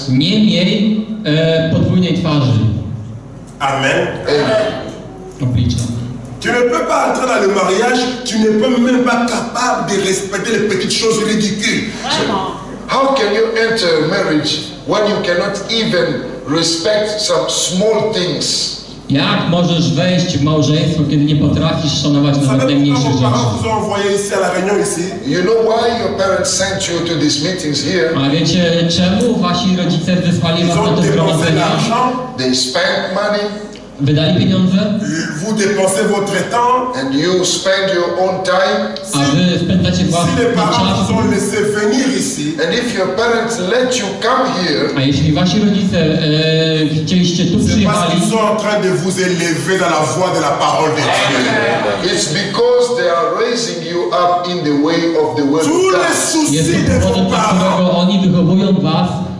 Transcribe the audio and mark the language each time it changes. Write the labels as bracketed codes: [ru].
[pl] Nie miej podwójnej twarzy. Amen. Oblicza. [fr] Tu ne peux pas entrer dans le mariage, tu ne peux même pas capable de respecter les petites choses ridicules. [en] How can you enter marriage when you cannot even respect some small things? [pl] Jak możesz wejść w małżeństwo, kiedy nie potrafisz szanować nawet najmniejszych rzeczy? [en] You know why your parents sent you to these meetings here? [pl] A wiecie, czemu wasi rodzice wysłali was na te zgromadzenia? [en] They spent money. [pl] Wydali pieniądze? [fr] Vous dépensez votre temps. [en] And you spend your own time. [pl] A wy spędzacie własny czas. [en] And if your parents let you come here. [pl] A jeśli wasi rodzice chcieliście tu przyjechali. [fr] Ils sont en train de vous élever dans la voie de la parole de Dieu. [en] It's because they are raising you up in the way of the word of God. [pl] Jest to powodem, dla którego oni wychowują was.